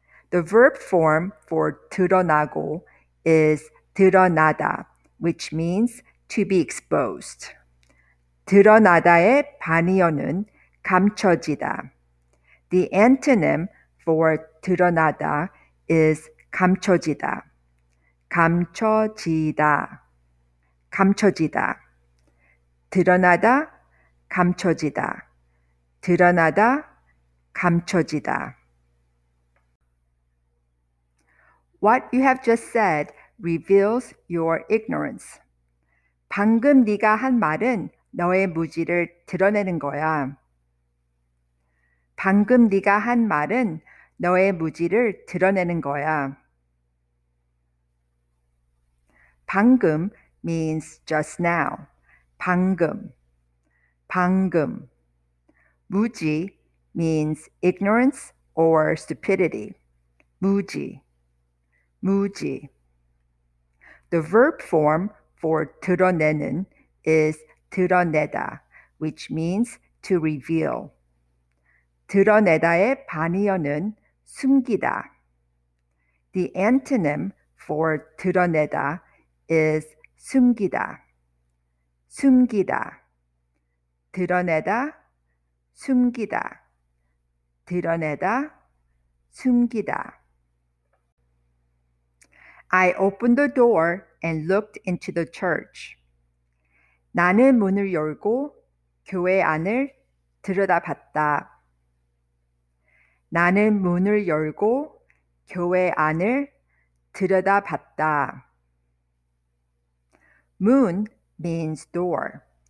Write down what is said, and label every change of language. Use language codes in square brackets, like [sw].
[en] The verb form for 드러나고 is 드러나다, which means to be exposed. [ko] 드러나다의 반의어는 감춰지다. [en] The antonym for 드러나다 is 감춰지다. [ko] 감춰지다. 감춰지다. 드러나다, 감춰지다. 드러나다, 감춰지다. [en] What you have just said reveals your ignorance. [ko] 방금 네가 한 말은 너의 무지를 드러내는 거야. 방금 네가 한 말은 너의 무지를 드러내는 거야. [en] 방금 means just now. 방금. 방금. 무지 means ignorance or stupidity. [ko] 무지. 무지. [en] The verb form for 드러내는 is 드러내다, which means to reveal. [ko] 드러내다의 반의어는 숨기다. [en] The antonym for 드러내다 is 숨기다. [ko] 숨기다. 드러내다, 숨기다. 드러내다, 숨기다. [en] I opened the door and looked into the church. [ko] 나는 문을 열고 교회 안을 들여다봤다. 나는 문을 열고 교회 안을 들여다봤다. [en] Moon means door.